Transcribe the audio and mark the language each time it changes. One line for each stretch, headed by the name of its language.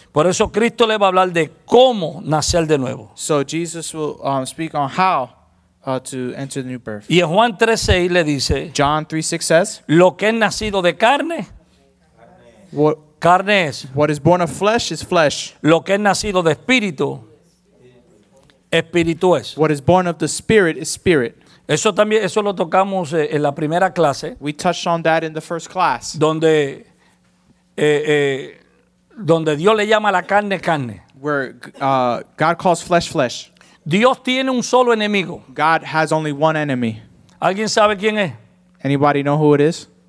Spanish: Por eso Cristo le va a hablar de cómo nacer de nuevo.
English: So Jesus will speak on how to enter the new birth.
Spanish: Y en Juan 3:6 le dice.
English: John 3:6 says.
Spanish: Lo que es nacido de carne. Carne es.
English: What is born of flesh is flesh.
Spanish: Lo que es nacido de espíritu. Espíritu es.
English: What is born of the spirit is spirit.
Spanish: Eso también, eso lo tocamos en la primera clase.
English: We touched on that in the first class.
Spanish: Donde Dios le llama la carne, carne.
English: Where God calls flesh, flesh.
Spanish: Dios tiene un solo enemigo.
English: God has only one enemy.
Spanish: ¿Alguien sabe quién es?
English: Anybody know who it is?